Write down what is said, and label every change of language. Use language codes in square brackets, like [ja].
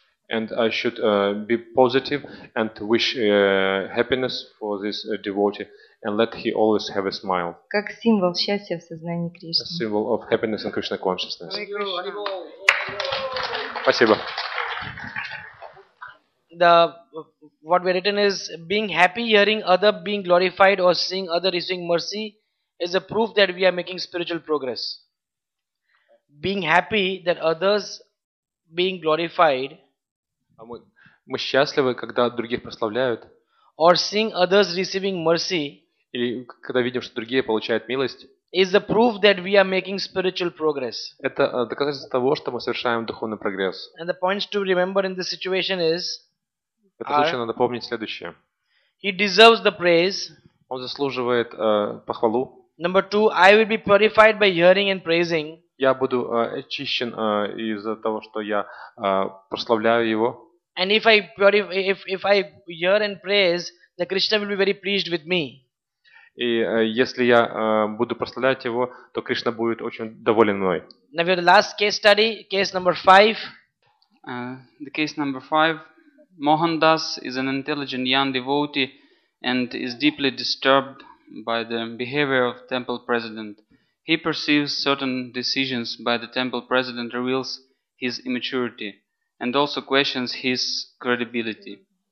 [en] And I should be positive and wish happiness for this devotee and let he always have a smile. [ru] Как символ счастья в сознании Кришны. [en] A symbol of happiness and Krishna consciousness. [ru] Спасибо. [en] The what we written is being happy hearing other being glorified or seeing other receiving mercy is a proof that we are making spiritual progress. Being happy that others being glorified. [ru] Мы счастливы, когда других прославляют. [en] Or seeing others receiving mercy. [ru] Или когда видим, что другие получают милость. [en] Is a proof that we are making spiritual progress. [ru] Это доказательство того, что мы совершаем духовный прогресс. [en] And the points to remember in this situation is. [ru] Это точно надо помнить следующее. [en] He deserves the praise. [ru] Он заслуживает похвалу. [en] Number two, I will be purified by hearing and praising. [ru] Я буду очищен из-за того, что я прославляю его. [en] And if I if I hear and praise, the Krishna will be very pleased with me. [ru] И если я буду прославлять его, то Кришна будет очень доволен мной. [en] Now we have the last case study, case number 5. The case number 5. Mohandas is an intelligent young devotee and is deeply disturbed by the behavior of temple president. He perceives certain decisions by the temple president reveals his immaturity and also questions his credibility.